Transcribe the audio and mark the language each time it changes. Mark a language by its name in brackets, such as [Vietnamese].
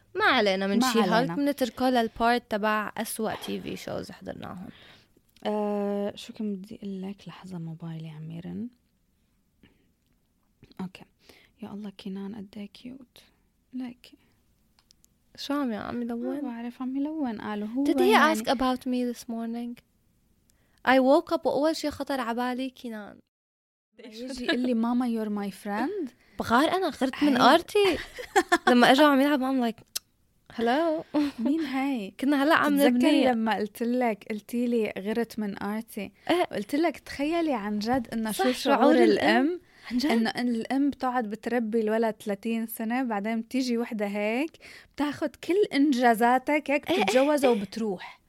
[Arabic] ما علينا من شي هالك منتركه للبارت تبع أسوأ تي في شوز حضرناهم شو كم بدي قلك لحظة موبايلي عميرن أوكي يا الله كنان قديه كيوت لك شو عم يعمل يلون؟ ما بعرف عم يلون قالوا هو. [English] Did he ask about me this morning? I woke up [Arabic] وأول شيء خطر عبالي كنان. يجي يقول لي ماما [English] you're my friend. [Arabic] بغار أنا خرت من أرتي لما أجا عم يلعب [English] I'm like hello [Arabic] مين هاي؟ كنا هلا عم نبني. تذكر لما قلت لك قلتي لي غرت من أرتي قلت لك تخيلي عن جد إنه شو شعور الأم انه ان الام بتقعد بتربي الولد 30 سنه بعدين بتيجي وحده هيك بتاخذ كل انجازاتك هيك بتتجوزها وبتروح